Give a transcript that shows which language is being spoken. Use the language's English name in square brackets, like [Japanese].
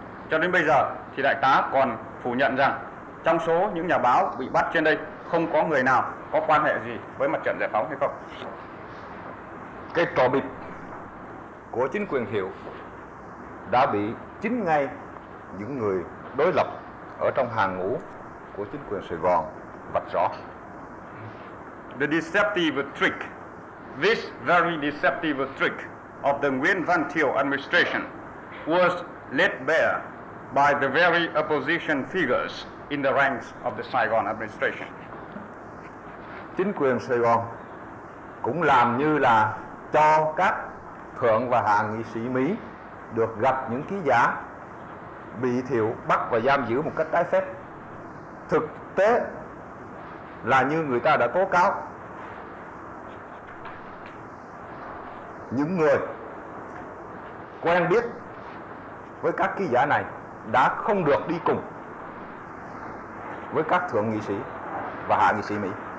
[Vietnamese] Cho đến bây giờ thì đại tá còn phủ nhận rằng trong số những nhà báo bị bắt trên đây không có người nào có quan hệ gì với Mặt trận Giải phóng hay không? Cái trò bịp của chính quyền hiệu đã bị chính ngay những người đối lập ở trong hàng ngũ của chính quyền Sài Gòn vạch rõ. [English] The deceptive trick, this very deceptive trick of the Nguyễn Văn Thiệu administration was laid bare by the very opposition figures in the ranks of the Saigon administration. [Vietnamese] Chính quyền Sài Gòn cũng làm như là cho các thượng và hạ nghị sĩ Mỹ được gặp những ký giả bị Thiệu bắt và giam giữ một cách trái phép. Thực tế là như người ta đã tố cáo, những người quen biết với các ký giả này đã không được đi cùng với các thượng nghị sĩ và hạ nghị sĩ Mỹ.